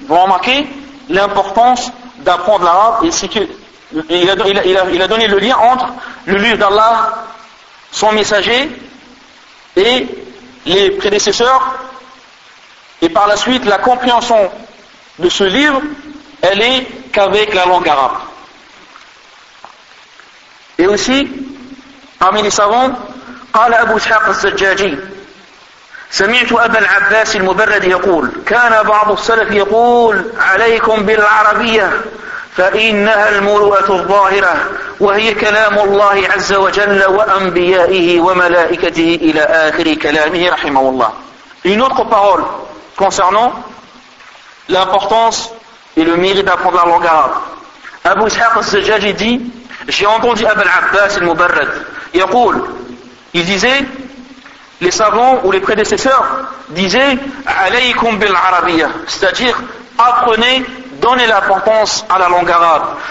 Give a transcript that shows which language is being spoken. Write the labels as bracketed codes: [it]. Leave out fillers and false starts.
[fr] Vous remarquez l'importance d'apprendre l'arabe, et c'est que il a donné le lien entre le livre d'Allah, son messager et les prédécesseurs, et par la suite la compréhension de ce livre elle est qu'avec la langue arabe. Et aussi parmi les savants, [ar] قال أبو إسحاق الزجاجي سمعت أبا العباس المبرد يقول: كان بعض السلف يقول عليكم بالعربية فإنها المروءة الظاهرة، وهي كلام الله عز وجل وأنبيائه وملائكته إلى آخر كلامه رحمه الله. [fr] Une autre parole concernant l'importance et le mérite d'apprendre la langue arabe. Abu Ishaq al-Zajjaji dit: j'ai entendu Abu al-Abbas al-Mubarrad [ar] yaqul, [fr] il disait, les savants ou les prédécesseurs disaient [ar] alaykum bil arabiyya, [fr] c'est-à-dire apprenez, donnez l'importance à la langue arabe.